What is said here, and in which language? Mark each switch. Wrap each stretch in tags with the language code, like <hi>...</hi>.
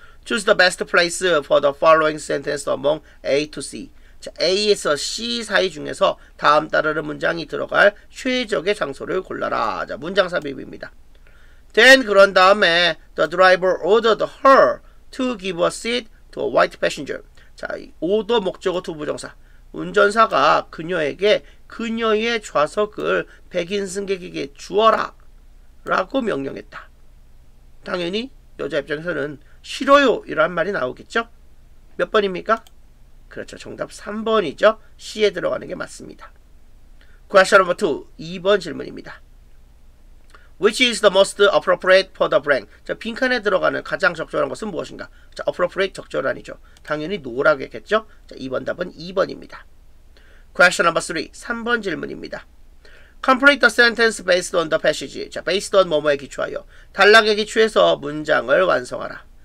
<en>Choose the best place for the following sentence among A to C.</en> <ko>자, A에서 C 사이 중에서 다음 따르는 문장이 들어갈 최적의 장소를 골라라. 자, 문장 삽입입니다.</ko> <en>Then</en> <ko>그런 다음에</ko> <en>the driver ordered her to give a seat to a white passenger.</en> <ko>자, 오더 목적어 to 부정사. 운전사가 그녀에게 그녀의 좌석을 백인 승객에게 주어라 라고 명령했다. 당연히 여자 입장에서는 싫어요 이란 말이 나오겠죠. 몇 번입니까? 그렇죠, 정답 3번이죠. C에 들어가는 게 맞습니다.</ko> <en>Question number 2.</en> <ko>2번 질문입니다.</ko> <en>Which is the most appropriate for the blank?</en> <ko>자, 빈칸에 들어가는 가장 적절한 것은 무엇인가? 자, appropriate 적절한이죠. 당연히 노라고 했겠죠? 자, 2번 답은 2번입니다.</ko> <en>Question number 3.</en> <ko>3번 질문입니다.</ko> <en>Complete the sentence based on the passage.</en> <ko>자, based on 뭐뭐에 기초하여. 단락에 기초해서 문장을 완성하라.</ko>